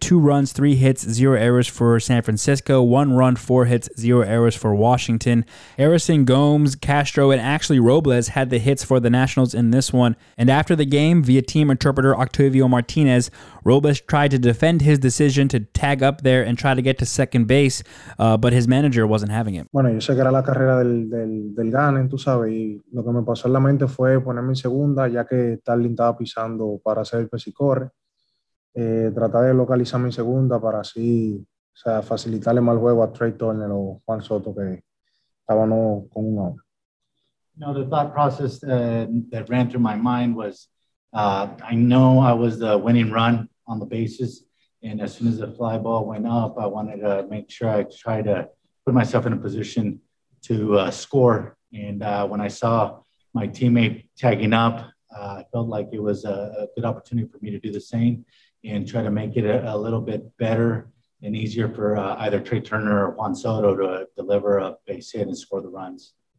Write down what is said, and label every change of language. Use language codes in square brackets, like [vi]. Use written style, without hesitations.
[en] 2 runs, 3 hits, 0 errors for San Francisco, 1 run, 4 hits, 0 errors for Washington. Harrison Gomes, Castro, and actually Robles had the hits for the Nationals in this one. And after the game, via team interpreter Octavio Martinez, Robles tried to defend his decision to tag up there and try to get to second base, but his manager wasn't having it. [es] Bueno, yo sé que era la carrera del Gannon, tú sabes, y lo que me pasó en la mente fue ponerme en segunda, ya que Starlin estaba pisando para hacer el pesi corre. Tratar de localizarme en segunda para así, o sea, facilitarle más juego a Trey Turner o Juan Soto, que estaban con un out. [en] No, the thought process that ran through my mind was, I know I was the winning run on the bases, and as soon as the fly ball went up, I wanted to make sure I try to put myself in a position to score. And when I saw my teammate tagging up, I felt like it was a good opportunity for me to do the same and try to make it a little bit better and easier for either Trey Turner or Juan Soto to deliver a base hit and score the runs.